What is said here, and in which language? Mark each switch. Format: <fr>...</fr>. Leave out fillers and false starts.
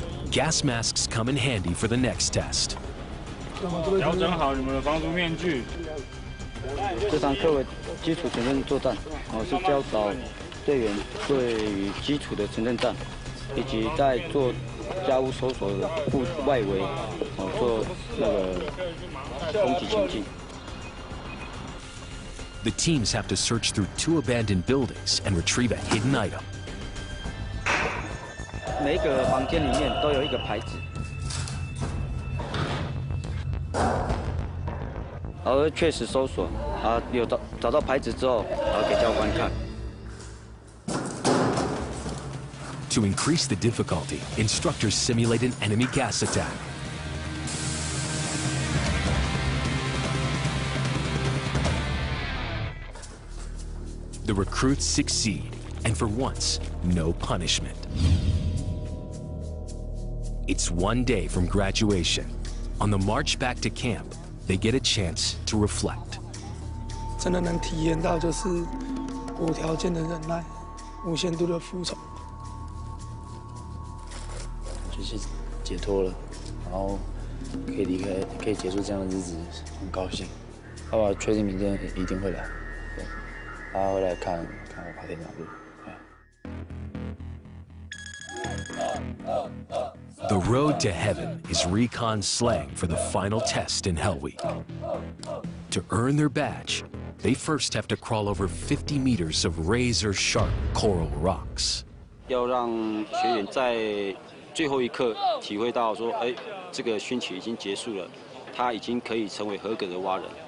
<en>Gas masks come in handy for the next test.</en> <zh>调整好你们的防毒面具。这堂课为基础城镇作战，我是教导队员对于基础的城镇战，以及在做家务搜索的部外围，做那个攻击情境。</zh> <en>The teams have to search through two abandoned buildings and retrieve a hidden item.</en> <zh>每一个房间里面都有一个牌子，然后确实搜索，啊，有找到牌子之后，然后给教官看。</zh> <en>To increase the difficulty, instructors simulate an enemy gas attack. The recruits succeed, and for once, no punishment. It's one day from graduation. On the march back to camp, they get a chance to reflect.</en> <zh>真的能体验到就是无条件的忍耐，无限度的服从，就是解脱了，然后可以离开，可以结束这样的日子，很高兴。爸爸确定明天一定会来。他会来看看我爬电脑路。</zh> <en>The road to heaven is recon slang for the final test in Hell Week. To earn their badge, they first have to crawl over 50 meters of razor sharp coral rocks.</en> <zh>要让学员在最后一刻体会到说，哎，这个训期已经结束了，他已经可以成为合格的蛙人。</zh>